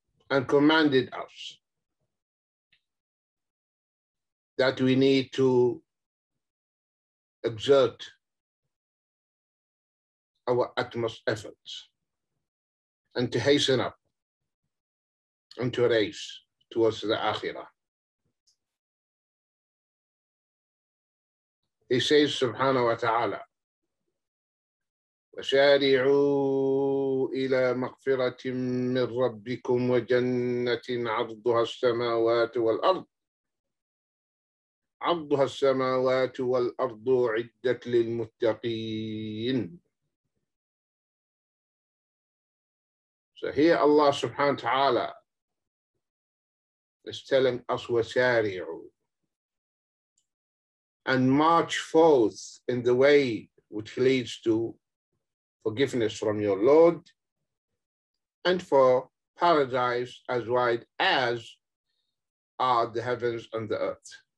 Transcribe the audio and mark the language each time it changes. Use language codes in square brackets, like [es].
[en] and commanded us that we need to exert our utmost efforts and to hasten up and to race towards the akhirah. He says, [ar] subhanahu wa ta'ala, وَشَارِعُوا إِلَى مَغْفِرَةٍ مِّن رَبِّكُمْ وَجَنَّةٍ عَرْضُهَا السَّمَاوَاتُ وَالْأَرْضُ عرضها السماوات والأرض عدة للمتقين. [en] So here Allah subhanahu wa ta'ala is telling us, وَسَارِعُوا, and march forth in the way which leads to forgiveness from your Lord and for paradise as wide as are the heavens and the earth.